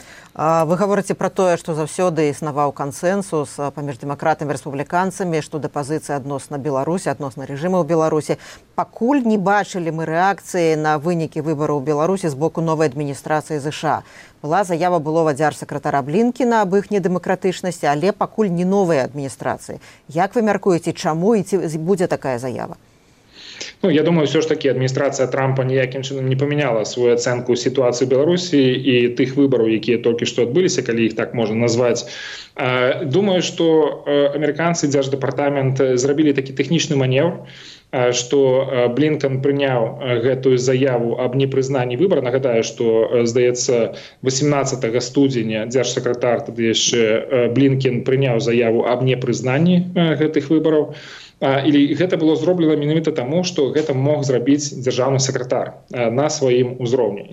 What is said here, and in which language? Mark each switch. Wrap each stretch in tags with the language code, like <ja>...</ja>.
<be>Вы гаворыце пра тое, што заўсёды існаваў кансэнсус паміж дэмакратамі і рэспубліканцамі, што да пазіцыі адносна Беларусі, адносна рэжыму ў Беларусі. Пакуль не бачылі мы рэакцыі на вынікі выбару ў Беларусі з боку новай адміністрацыі США. Была заява былога дзяржсакратара Блінкіна аб іх недэмакратычнасці, але пакуль не новая адміністрацыі. Як вы мяркуеце, чаму і ці будзе такая заява?</be> <uk>Ну, я думаю, все ж таки адміністрація Трампа ніяким чином не поміняла свою оцінку ситуації в Білорусі і тих виборів, які тільки що відбулися, коли їх так можна назвати. Думаю, що американці, Держдепартамент, зробили такий технічний маневр, що Блінкен прийняв</uk> <be>гэтую заяву</be> <uk>об непризнанні вибору. Нагадаю, що, здається, 18 студзеня держсекретар тоді ще Блінкен прийняв заяву об непризнанні</uk> <be>гэтых выбораў. І гэта было зроблена менавіта таму, што гэта мог зрабіць дзяржаўны сакратар на сваім узроўні.</be>